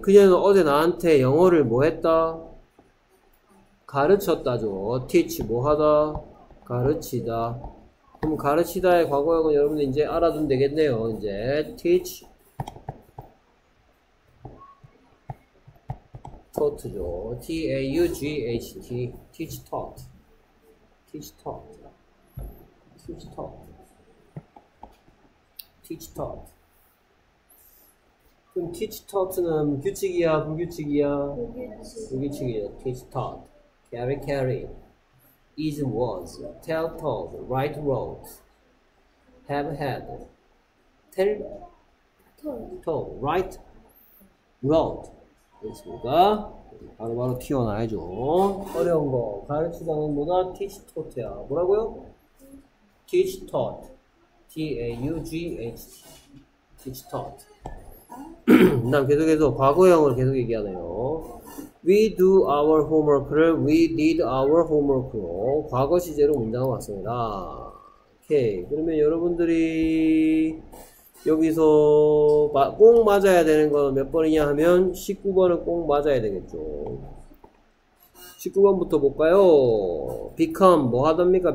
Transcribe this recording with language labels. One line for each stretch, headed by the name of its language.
Korean: 그녀는 어제 나한테 영어를 뭐 했다? 가르쳤다죠. teach 뭐 하다? 가르치다. 그럼 가르치다의 과거형은 여러분들 이제 알아두면 되겠네요. 이제 teach taught죠.
English: t-a-u-g-h-t teach taught teach taught teach taught teach taught 그럼 teach taught는 규칙이야?
Korean: 불규칙이야? 불규칙이야.
English: teach taught. carry carry. is was. tell told. write wrote. have had. tell told. write wrote. 됐습니까?
Korean: 바로바로 튀어나와야죠. 어려운 거. 가르치다는 뭐다? teach taught야. 뭐라고요? teach taught.
English: t-a-u-g-h-t. teach taught.
Korean: 난 계속해서 과거형을 계속 얘기하네요.
English: We do our homework
Korean: 를
English: we did our homework
Korean: 로 과거 시제로 문장을 왔습니다. 오케이. 그러면 여러분들이 여기서 꼭 맞아야 되는 건 몇 번이냐 하면 19번은 꼭 맞아야 되겠죠. 19번부터 볼까요? become 뭐 하답니까?